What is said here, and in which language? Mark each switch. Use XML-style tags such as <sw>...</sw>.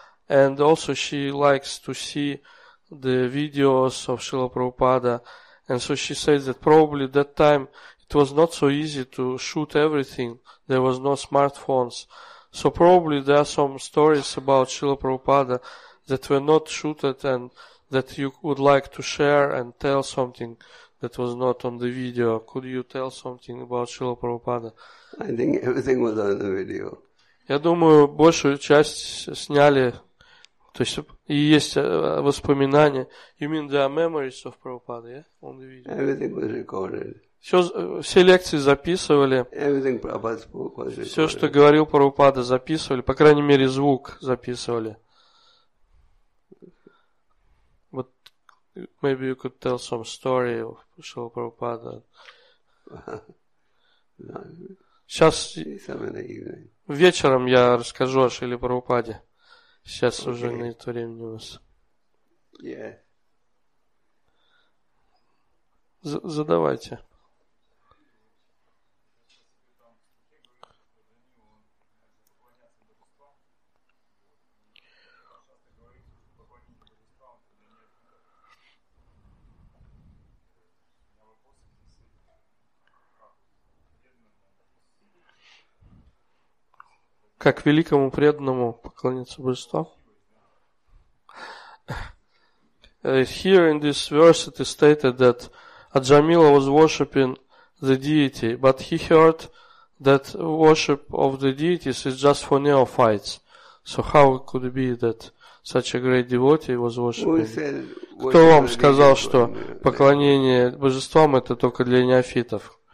<en>and also she likes to see the videos of Srila Prabhupada, and so she says that probably that time it was not so easy to shoot everything, there was no smartphones, so probably there are some stories about Srila Prabhupada that were not shooted and that you would like to share and tell something that was not on the video. Could you tell something about Srila Prabhupada? I think everything was on the video.</en> <ru>Я думаю, большую часть сняли. То есть, и есть воспоминания.</ru> <en>You mean there are memories of Prabhupada, yeah? On the video. Everything was recorded.</en> <ru>Все лекции записывали.</ru> <en>Everything Prabhupada spoke was recorded.</en> <ru>Все, что говорил Прабхупада, записывали. По крайней мере, звук записывали.</ru> <en>But maybe you could tell some story of Srila Prabhupada.</en> <ru>Сейчас вечером я расскажу о Шриле Прабхупаде. Сейчас okay. Уже нет времени у вас.</ru> <en>Yeah.</en> <ru>Задавайте. Как великому преданному поклониться божеству.</ru> <en>Here in this verse it is stated that Аджамила was worshiping the deity, but he heard that worship of the deities is just for neophytes. So how could it be that such a great devotee was worshiping?</en> <ru>Кто вам сказал, что поклонение божествам это только для неофитов?</ru>